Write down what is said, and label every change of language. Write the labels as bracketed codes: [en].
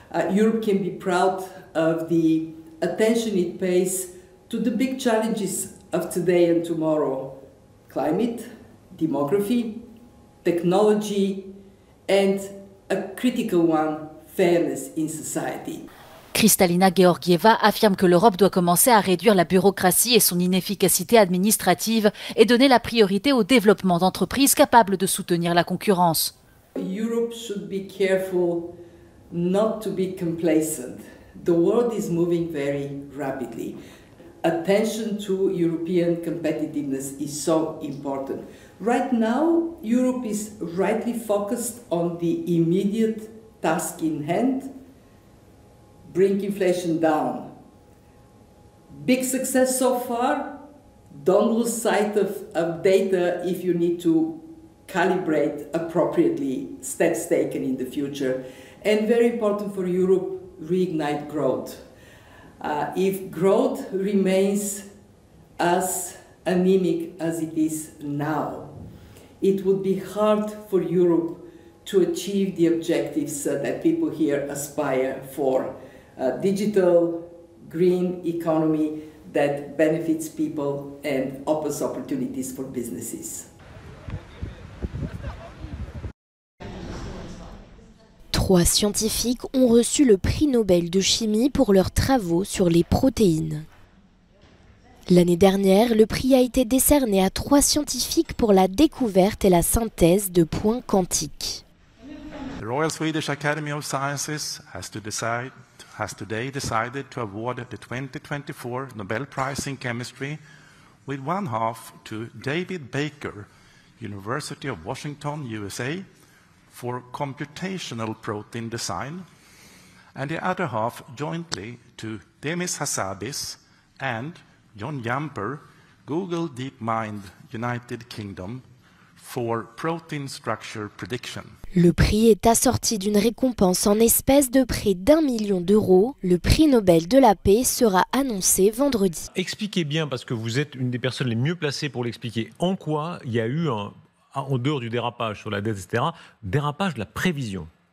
[en] Europe can be proud of the attention it pays to the big challenges of today and tomorrow. Climate, demography, technology, and a critical one, fairness in society. [fr] Kristalina Georgieva affirme que l'Europe doit commencer à réduire la bureaucratie et son inefficacité administrative et donner la priorité au développement d'entreprises capables de soutenir la concurrence. [en] Europe should be careful not to be complacent. The world is moving very rapidly. Attention to European competitiveness is so important. Right now, Europe is rightly focused on the immediate task in hand, bring inflation down. Big success so far, don't lose sight of data if you need to calibrate appropriately steps taken in the future. And very important for Europe, reignite growth. If growth remains as anemic as it is now, it would be hard for Europe to achieve the objectives that people here aspire for. A digital, green economy that benefits people and opens opportunities for businesses. [fr] Trois scientifiques ont reçu le prix Nobel de chimie pour leurs travaux sur les protéines. L'année dernière, le prix a été décerné à trois scientifiques pour la découverte et la synthèse de points quantiques. [en] The Royal Swedish Academy of Sciences has today decided to award the 2024 Nobel Prize in Chemistry with one half to David Baker, University of Washington, USA, for computational protein design, and the other half jointly to Demis Hassabis and John Jumper, Google DeepMind, United Kingdom, for protein structure prediction. [fr] Le prix est assorti d'une récompense en espèces de près d'1 million d'euros. Le prix Nobel de la paix sera annoncé vendredi. Expliquez bien, parce que vous êtes une des personnes les mieux placées pour l'expliquer, en quoi il y a eu, en dehors du dérapage sur la dette, etc., dérapage de la prévision.